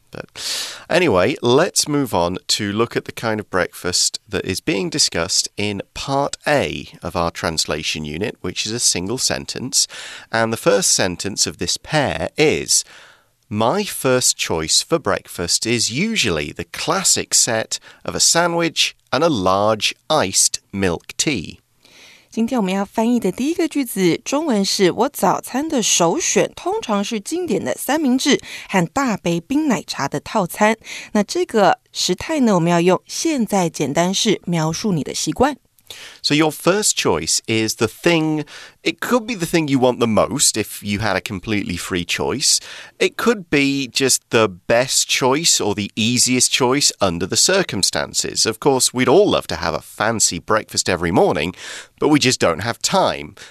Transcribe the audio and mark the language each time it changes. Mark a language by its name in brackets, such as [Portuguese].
[English] But anyway, let's move on to look at the kind of breakfast that is being discussed in part A of our translation unit, which is a single sentence. And the first sentence of this pair is, my first choice for breakfast is usually the classic set of a sandwich and a large iced milk tea. [Chinese] 今天我们要翻译的第一个句子中文是我早餐的首选通常是经典的三明治和大杯冰奶茶的套餐。那这个时态呢我们要用现在简单式描述你的习惯。 [English] So your first choice is the thing, it could be the thing you want the most if you had a completely free choice. It could be just the best choice or the easiest choice under the circumstances. Of course, we'd all love to have a fancy breakfast every morning, but we just don't have time.